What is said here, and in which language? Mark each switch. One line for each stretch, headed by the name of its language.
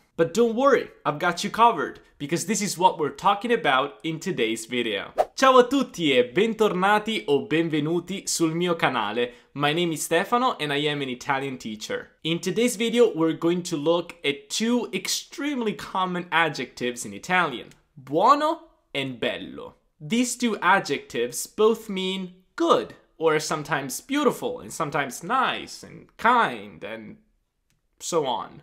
English: But don't worry, I've got you covered, because this is what we're talking about in today's video.
Italian: Ciao a tutti e bentornati o benvenuti sul mio canale.
English: My name is Stefano and I am an Italian teacher. In today's video, we're going to look at two extremely common adjectives in Italian, buono and bello. These two adjectives both mean good, or sometimes beautiful, and sometimes nice, and kind, and so on.